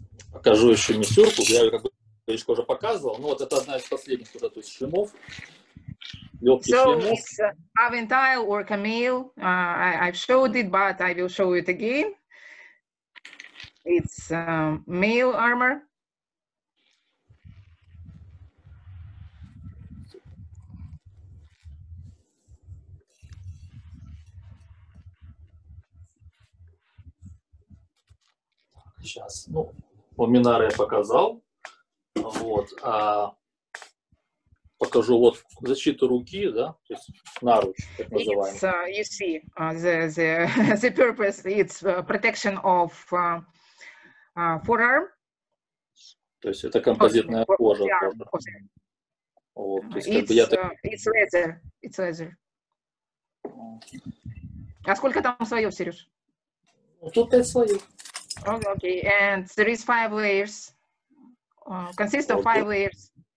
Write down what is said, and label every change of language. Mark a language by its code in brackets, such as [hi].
[ru] Покажу еще не сюрку, я как бы еще уже показывал, но вот это одна из последних вот этих шлемов. [en] So it's aventail or camille. I've showed it, but I will show it again. It's male armor. [ru] Сейчас, ну, ламинар я показал, вот. Покажу вот защиту руки, да, то есть наруч, так называемый. [en] It's, you see, the purpose, it's protection of forearm. [ru] То есть это композитная кожа. Вот, [en] It's leather. It's leather. [ru] А сколько там слоев, Сереж? Тут 5 слоев. [en] Okay, and there is 5 layers. Consists of 5 layers.